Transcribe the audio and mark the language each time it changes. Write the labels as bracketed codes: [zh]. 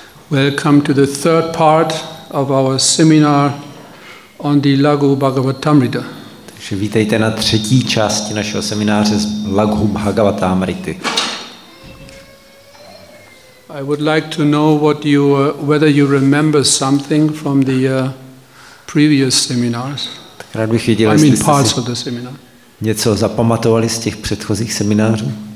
[en] Welcome to the third part of our seminar on the Laghu Bhagavatamrita. [cs] Takže vítejte na třetí části našeho semináře z Laghu Bhagavatamrity. [en] I would like to know whether you remember something from the previous seminars. [cs] Rád bych věděl, jestli jste si něco zapamatovali z těch předchozích seminářů.